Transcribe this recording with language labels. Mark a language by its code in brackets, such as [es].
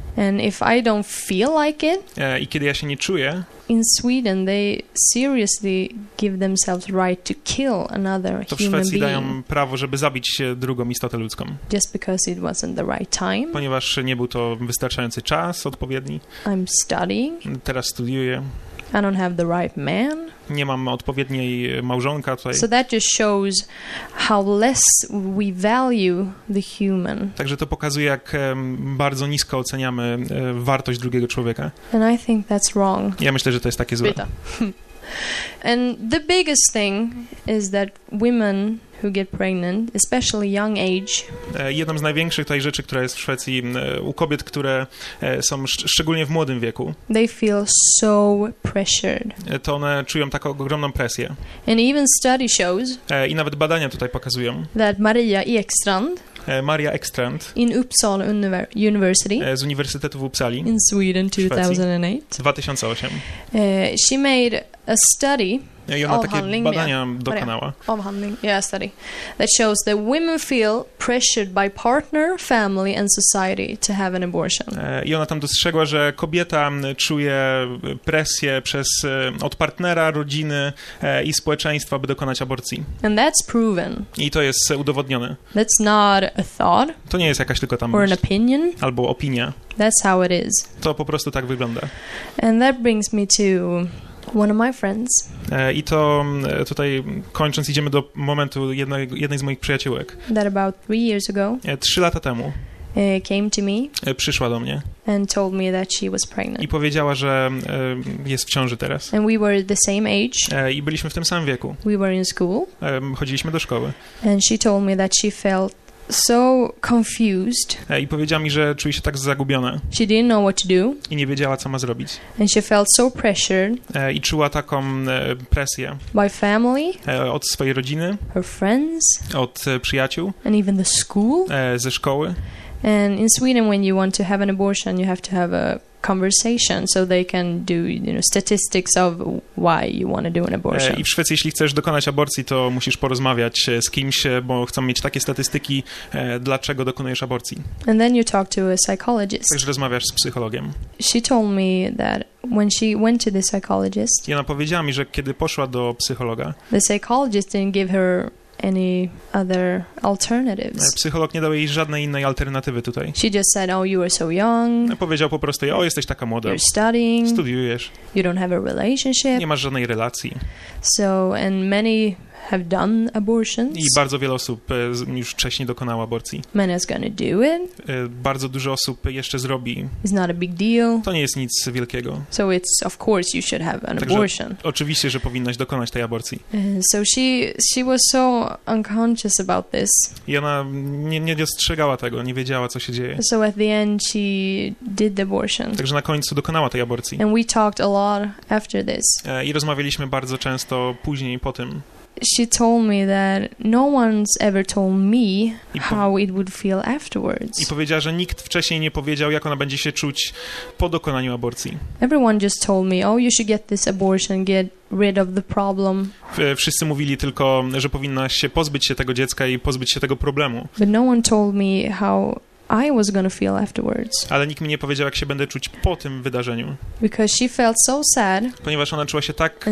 [en] And if I don't feel like it, [pl] i kiedy ja się nie czuję, [en] in Sweden they seriously give themselves right to kill another human being. [pl] To w Szwecji dają prawo, żeby zabić drugą istotę ludzką. [en] Just because it wasn't the right time. [pl] Ponieważ nie był to wystarczający czas odpowiedni. [en] I'm studying. [pl] Teraz studiuję. [en] I don't have the right man. [pl] Nie mam odpowiedniej małżonka tutaj. [en] So that just shows how less we value the human. [pl] Także to pokazuje, jak bardzo nisko oceniamy wartość drugiego człowieka. [en] And I think that's wrong. [pl] Ja myślę, że to jest takie złe. [en] And the biggest thing is that women who get pregnant, especially young age. [pl] Jedną z największych tej rzeczy, która jest w Szwecji u kobiet, które są szczególnie w młodym wieku. [en] They feel so pressured. [pl] To one czują taką ogromną presję. [en] And even study shows. [pl] I nawet badania tutaj pokazują. [en] That Maria Ekstrand. [pl] Maria Ekstrand. [en] In Uppsala University. [pl] Z Uniwersytetu w Uppsali. [en] In Sweden 2008. [pl] W 2008. [en] She made a study. [pl] I ona takie badania dokonała. [en] Obhandling, yeah, study. That shows that women feel pressured by partner, family and society to have an abortion. [pl] I ona tam dostrzegła, że kobieta czuje presję przez od partnera, rodziny i społeczeństwa, by dokonać aborcji. [en] And that's proven. [pl] I to jest udowodnione. [en] That's not a thought. [pl] To nie jest jakaś tylko tam [en] or an opinion. [pl] Albo opinia. [en] That's how it is. [pl] To po prostu tak wygląda. [en] And that brings me to one of my friends. [pl] I to tutaj kończąc idziemy do momentu jednej z moich przyjaciółek. [en] That about 3 years ago. [pl] 3 lata temu. [en] Came to me. [pl] Przyszła do mnie. [en] And told me that she was pregnant. [pl] I powiedziała, że jest w ciąży teraz. [en] And we were the same age. [pl] I byliśmy w tym samym wieku. [en] We were in school. [pl] Chodziliśmy do szkoły. [en] And she told me that she felt so confused. [pl] I powiedziała mi, że czuje się tak zagubiona. [en] She didn't know what to do. [pl] I nie wiedziała, co ma zrobić. [en] And she felt so pressured. [pl] I czuła taką presję. [en] By family. [pl] Od swojej rodziny. [en] Her friends. [pl] Od przyjaciół. [en] And even the school. [pl] Ze szkoły. [en] And in Sweden, when you want to have an abortion, you have to have a conversation, so they can do, you know, statistics of why you want to do an abortion. [pl] I w Szwecji, jeśli chcesz dokonać aborcji, to musisz porozmawiać z kimś, bo chcą mieć takie statystyki, dlaczego dokonujesz aborcji. [en] And then you talk to a psychologist. [pl] Także rozmawiasz z psychologiem. [en] She told me that when she went to the psychologist. [pl] I ona powiedziała mi, że kiedy poszła do psychologa. [en] The psychologist didn't give her any other alternatives. [pl] Psycholog nie dał jej żadnej innej alternatywy tutaj. [en] She just said, oh, you are so young. [pl] Powiedział po prostu, o, jesteś taka młoda. [en] You're studying. [pl] Studiujesz. [en] You don't have a relationship. [pl] Nie masz żadnej relacji. [en] So, and many have done abortions. [pl] I bardzo wiele osób już wcześniej dokonało aborcji. [en] Many are gonna do it. [pl] Bardzo dużo osób jeszcze zrobi. [en] It's not a big deal. [pl] To nie jest nic wielkiego. [en] So it's of course you should have an abortion. [pl] Także oczywiście, że powinnaś dokonać tej aborcji. [en] So she was so unconscious about this. [pl] I ona nie dostrzegała tego, nie wiedziała, co się dzieje. [en] So at the end she did the abortion. [pl] Także na końcu dokonała tej aborcji. [en] And we talked a lot after this. [pl] I rozmawialiśmy bardzo często później po tym. [en] She told me that no one's ever told me how it would feel afterwards. [pl] I powiedziała, że nikt wcześniej nie powiedział, jak ona będzie się czuć po dokonaniu aborcji. [en] Everyone just told me, oh, you should get this abortion, get rid of the problem. [pl] Wszyscy mówili tylko, że powinnaś się pozbyć się tego dziecka i pozbyć się tego problemu. [en] But no one told me how I was gonna feel afterwards. [pl] Ale nikt mi nie powiedział, jak się będę czuć po tym wydarzeniu. [en] Because she felt so sad. [pl] Ponieważ ona czuła się tak